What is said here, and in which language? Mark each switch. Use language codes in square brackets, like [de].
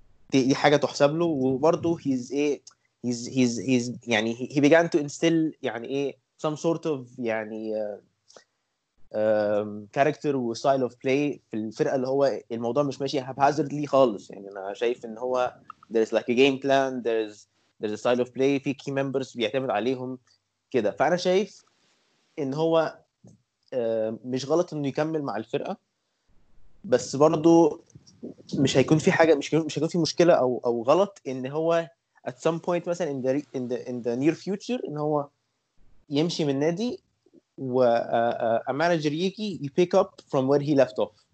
[ar] دي حاجة تحسب له. وبرضه he's يعني [en] he began to instill [ar] يعني إيه [en] some sort of [ar] يعني character وstyle of play في الفرقة, اللي هو الموضوع مش ماشي haphazardly خالص يعني. أنا شايف إن هو [en] there's like a game plan, there's a style of play, في key members [ar] بيعتمد عليهم كده. فأنا شايف إن هو مش غلط انه يكمل مع الفرقه, بس برضو مش هيكون في حاجه, مش هيكون في مشكله او غلط ان هو [en] at some point [ar] مثلا [en] in the near future [ar] ان هو يمشي من النادي و a manager يجي [en] you pick up from where he left off.